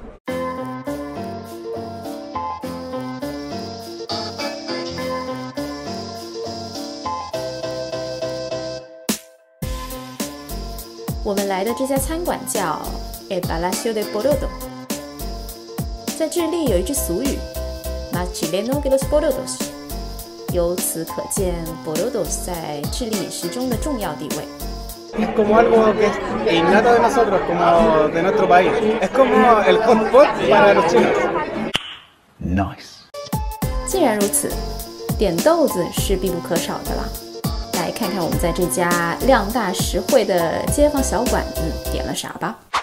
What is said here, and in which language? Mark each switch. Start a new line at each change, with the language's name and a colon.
Spanish: Hemos venido a este restaurante llamado El Palacio de Porotos. En Chile hay un refrán: más chileno que los porotos.
Chinese: 由此可见 ，porotos 在智利饮食中的重要地位。
Spanish: Es como algo que es innato de nosotros, como de nuestro país. Es como el hot pot para los chinos.
English: Nice.
Chinese: 既然如此，点豆子是必不可少的了。来看看我们在这家量大实惠的街坊小馆子点了啥吧。